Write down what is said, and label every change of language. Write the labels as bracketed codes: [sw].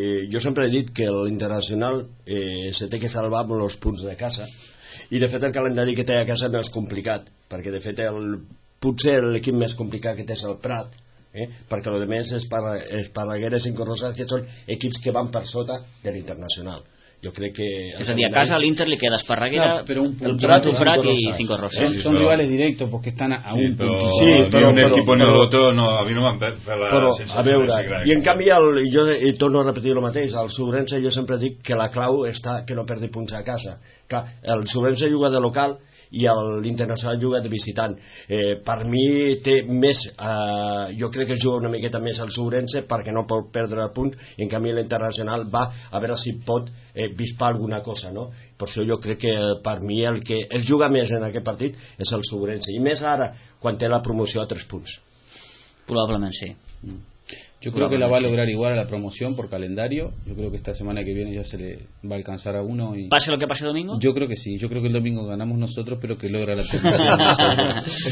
[ca] Jo sempre he dit que l'Internacional se té que salvar amb els punts de casa, i de fet el calendari que té a casa no és complicat, perquè de fet el, potser l'equip més complicat que té és el Prat, perquè el més és Esparreguera i Cinco-Rosas, que són equips que van per sota de l'Internacional. Jo crec que... És a dir, a casa l'Inter li queda Esparreguera, no, però un punt, el Prat, el Prat i Cinco-Rosas. Sí, són però... [es] rivales directos, [ca] perquè estan a un sí, punt. Sí, però... [es] Un equipo en el otro, [ca] no, a mi no m'han fet la però, sensació. A veure, i en canvi, el, jo torno a repetir el mateix, el Sobrense jo sempre dic que la clau està que no perdi punts a casa. Clar, el Sobrense juga de local i l'Internacional juga de visitant. Per mi té més... jo crec que juga una miqueta més el Sobrense perquè no pot perdre punts, i en canvi l'Internacional va a veure si pot bispar alguna cosa, no? Per això jo crec que per mi el que es juga més en aquest partit és el Sobrense, i més ara quan té la promoció a 3 punts. Probablement sí. [es] Yo creo que la va a lograr igual a la promoción por calendario. Yo creo que esta semana que viene ya se le va a alcanzar a uno. Y... ¿Pase lo que pase domingo? Yo creo que sí. Yo creo que el domingo ganamos nosotros, pero que logra la promoción.